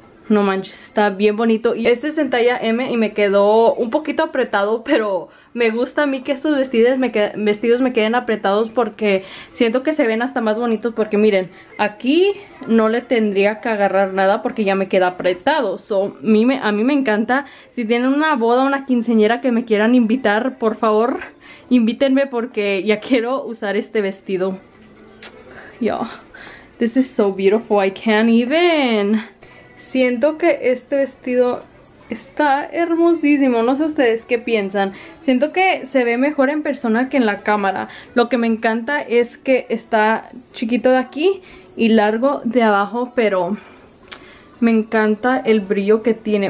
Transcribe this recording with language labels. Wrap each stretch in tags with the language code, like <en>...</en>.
<es>No manches, está bien bonito. Y este es en talla M y me quedó un poquito apretado, pero me gusta a mí que estos vestidos me queden apretados porque siento que se ven hasta más bonitos. Porque miren, aquí no le tendría que agarrar nada porque ya me queda apretado. So, a mí me encanta. Si tienen una boda, una quinceañera que me quieran invitar, por favor, invítenme porque ya quiero usar este vestido.</es> <en>Yo, this is so beautiful, I can't even...</en> <es>Siento que este vestido está hermosísimo. No sé ustedes qué piensan. Siento que se ve mejor en persona que en la cámara. Lo que me encanta es que está chiquito de aquí y largo de abajo, pero me encanta el brillo que tiene.</es>